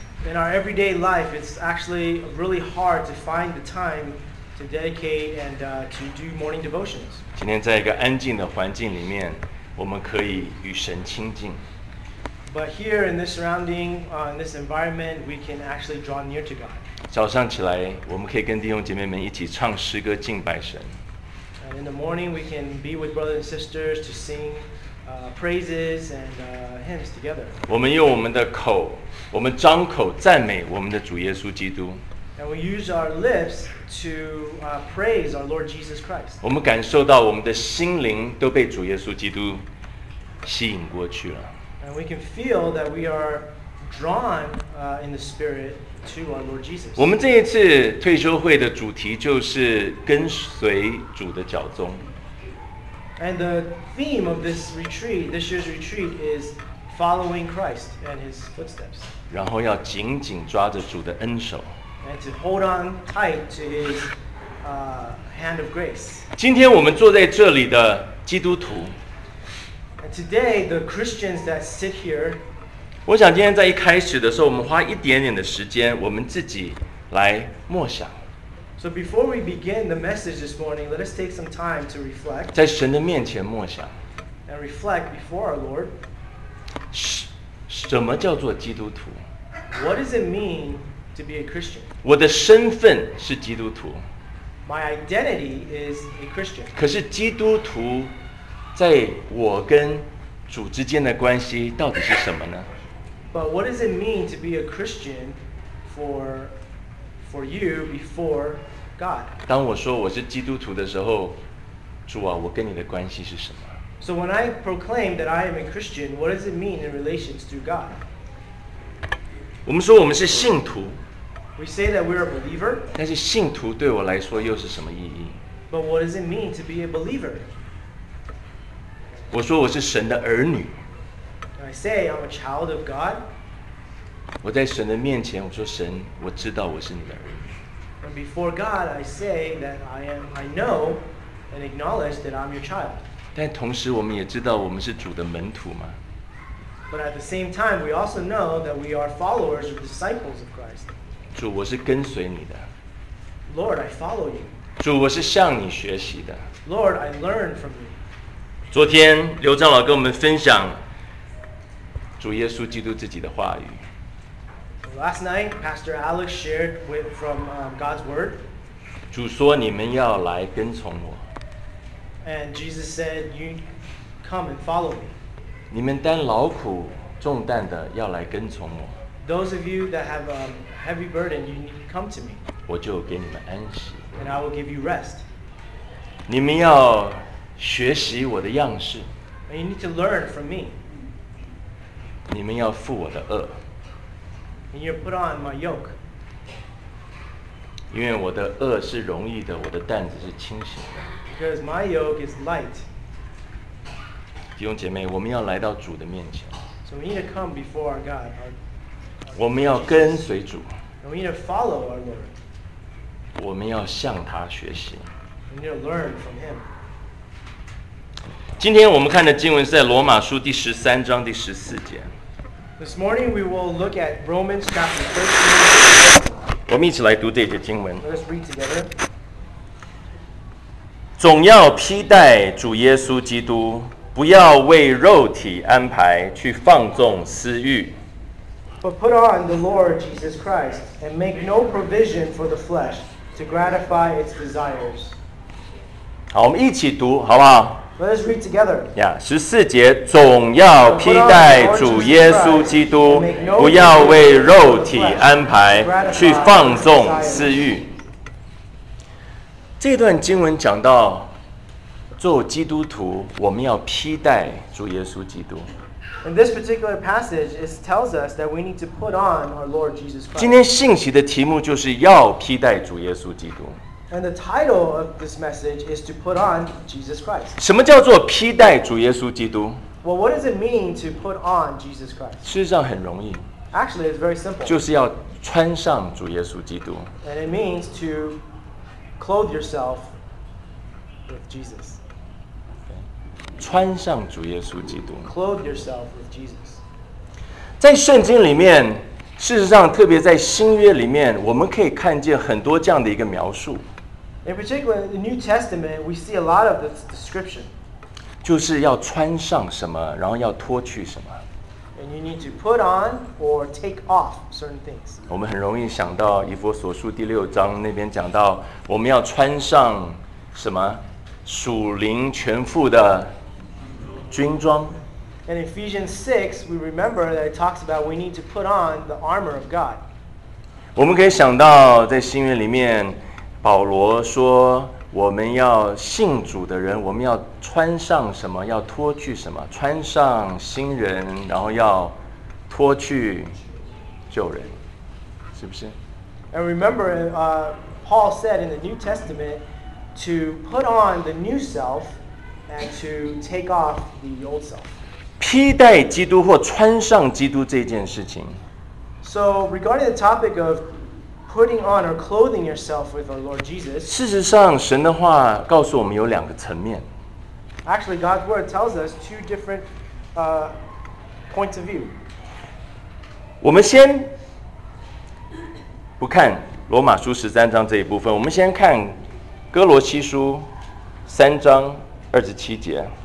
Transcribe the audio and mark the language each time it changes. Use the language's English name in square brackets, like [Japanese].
[English] In our everyday life, it's actually really hard to find the time. To dedicate and to do morning devotions. [Chinese] 今天在一个安静的环境里面，我们可以与神亲近。 [English] But here in this surrounding, in this environment, we can actually draw near to God. [Chinese] 早上起来，我们可以跟弟兄姐妹们一起唱诗歌敬拜神。 [English] And in the morning, we can be with brothers and sisters to sing praises and hymns together. [Chinese] 我们用我们的口，我们张口赞美我们的主耶稣基督。 [English] And we use our lips to praise our Lord Jesus Christ. [Chinese] 我们感受到我们的心灵都被主耶稣基督吸引过去了。 [English] And we can feel that we are drawn in the spirit to our Lord Jesus. [Chinese] 我们这一次退休会的主题就是跟随主的脚踪。 [English] And the theme of this retreat, this year's retreat, is following Christ and His footsteps. [Chinese] 然后要紧紧抓着主的恩手。 [English] And to hold on tight to His hand of grace. [Chinese] 今天我们坐在这里的基督徒。 [English] And today the Christians that sit here. [Chinese] 我想今天在一开始的时候，我们花一点点的时间，我们自己来默想。 [English] So before we begin the message this morning, let us take some time to reflect. [Chinese] 在神的面前默想。 [English] And reflect before our Lord. [Chinese] 什么叫做基督徒？ [English] What does it mean? To be a Christian. [Chinese] 我的身份是基督徒。 [English] My identity is a Christian. [Chinese] 可是基督徒在我跟主之间的关系到底是什么呢？ [English] But what does it mean to be a Christian for you before God? [Chinese] 当我说我是基督徒的时候，主啊，我跟你的关系是什么？ [English] So when I proclaim that I am a Christian, what does it mean in relations to God? [Chinese] 我们说我们是信徒。 [English] We say that we're a believer. [Chinese] 但是信徒对我来说又是什么意义？ [English] But what does it mean to be a believer? [Chinese] 我说我是神的儿女。 [English] I say I'm a child of God. [Chinese] 我在神的面前，我说神，我知道我是你的儿女。 [English] And before God, I say that I know and acknowledge that I'm your child. [Chinese] 但同时我们也知道我们是主的门徒吗？ [English] But at the same time, we also know that we are followers or disciples of Christ. [Chinese] 主，我是跟随你的。 [English] Lord, I follow you. [Chinese] 主，我是向你学习的。 [English] Lord, I learn from you. [Chinese] 昨天刘长老跟我们分享主耶稣基督自己的话语。 [English] Last night, Pastor Alex shared from God's word. [Chinese] 主说你们要来跟从我。 [English] And Jesus said, "You come and follow me. [Chinese] 你们担劳苦重担的要来跟从我。 [English] Those of you that have a heavy burden, you need to come to me. [Chinese] 我就给你们安息。 [English] And I will give you rest. [Chinese] 你们要学习我的样式。 [English] And you need to learn from me. [Chinese] 你们要负我的轭。 [English] And you put on my yoke. [Chinese] 因为我的轭是容易的，我的担子是轻省的。 [English] Because my yoke is light. [Chinese] 弟兄姐妹，我们要来到主的面前。 [English] So we need to come before our God. [Chinese] 我们要跟随主。 [English] And we need to follow our Lord. [Chinese] 我们要向他学习。 [English] We need to learn from him. [Chinese] 今天我们看的经文是在罗马书第十三章第十四节。 [English] This morning we will look at Romans chapter 13. [Chinese] 我们一起来读这节经文。 [English] Let's read together. [Chinese] 总要披戴主耶稣基督，不要为肉体安排去放纵私欲。 [English] But put on the Lord Jesus Christ and make no provision for the flesh to gratify its desires. [Chinese] 好，我们一起读，好不好？ [English] Let's read together. [Chinese] 十四节，总要披戴主耶稣基督，不要为肉体安排去放纵私欲。这段经文讲到，做基督徒，我们要披戴主耶稣基督。 [English] In this particular passage, it tells us that we need to put on our Lord Jesus Christ. [Chinese] 今天信息的题目就是要披戴主耶稣基督。 [English] And the title of this message is to put on Jesus Christ. [Chinese] 什么叫做披戴主耶稣基督？ [English] Well, what does it mean to put on Jesus Christ? [Chinese] 事实上很容易。 [English] Actually, it's very simple. [Chinese] 就是要穿上主耶稣基督。 [English] And it means to clothe yourself with Jesus. [Chinese] 穿上主耶稣基督。 [English] Clothe yourself with Jesus. [Chinese] 在圣经里面，事实上特别在新约里面，我们可以看见很多这样的一个描述。 [English] In particular, the New Testament, we see a lot of this description. [Chinese] 就是要穿上什么，然后要脱去什么。 [English] And you need to put on or take off certain things. [Chinese] 我们很容易想到以弗所书第六章那边讲到，我们要穿上什么属灵全副的军装。 [English] And in Ephesians 6, we remember that it talks about we need to put on the armor of God. [Chinese] 我们可以想到在新约里面，保罗说我们要信主的人，我们要穿上什么，要脱去什么，穿上新人，然后要脱去旧人，是不是？ [English] And remember, Paul said in the New Testament to put on the new self and to take off the old self. [Chinese] 披戴基督或穿上基督这件事情。 [English] So regarding the topic of putting on or clothing yourself with our Lord Jesus. [Chinese] 事实上，神的话告诉我们有两个层面。 [English] Actually, God's word tells us two different points of view. [Chinese] 我们先不看罗马书十三章这一部分，我们先看哥罗西书三章二十七节。